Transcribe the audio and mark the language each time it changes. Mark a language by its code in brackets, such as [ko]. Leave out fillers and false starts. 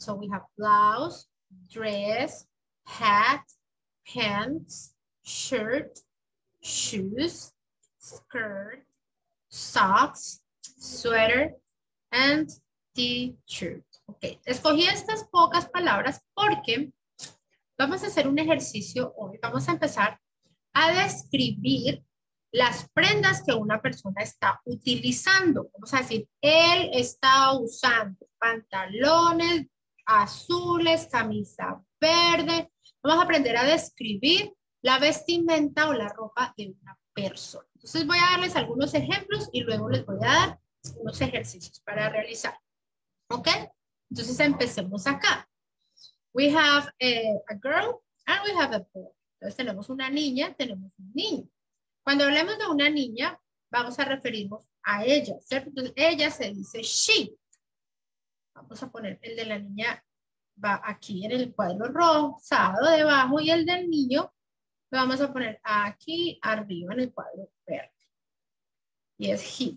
[en] So we have blouse, dress, hat, pants, shirt, shoes, skirt, socks, sweater, and t-shirt. [es] Ok, escogí estas pocas palabras porque vamos a hacer un ejercicio hoy. Vamos a empezar a describir las prendas que una persona está utilizando. Vamos a decir, él está usando pantalones azules, camisa verde. Vamos a aprender a describir la vestimenta o la ropa de una persona. Entonces voy a darles algunos ejemplos y luego les voy a dar unos ejercicios para realizar. Ok. Entonces empecemos acá. [en] We have a girl and we have a boy. [es] Entonces tenemos una niña, tenemos un niño. Cuando hablemos de una niña, vamos a referirnos a ella, ¿cierto? Entonces ella se dice she. Vamos a poner el de la niña va aquí en el cuadro rosado debajo y el del niño lo vamos a poner aquí arriba en el cuadro verde. Y es he.